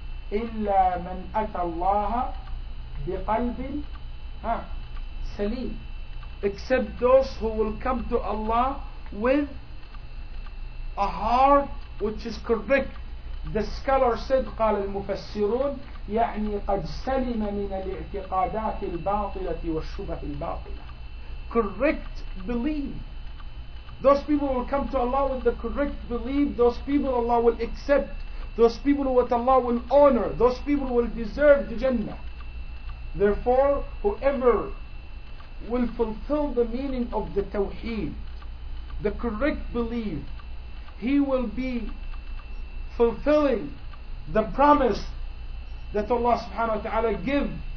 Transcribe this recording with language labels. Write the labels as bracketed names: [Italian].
[English] Whose? Illa man ata Allah biqalbin salim. Except those who will come to Allah with a heart which is correct. The scholar said, [Arabic] قال المفسرون يعني قد سلم من الاعتقادات الباطلة والشبه الباطلة. [English] Correct belief. Those people will come to Allah with the correct belief. Those people Allah will accept. Those people what Allah will honor. Those people will deserve the Jannah. Therefore, whoever will fulfill the meaning of the Tawheed, the correct belief, he will be fulfilling the promise that Allah subhanahu wa ta'ala give.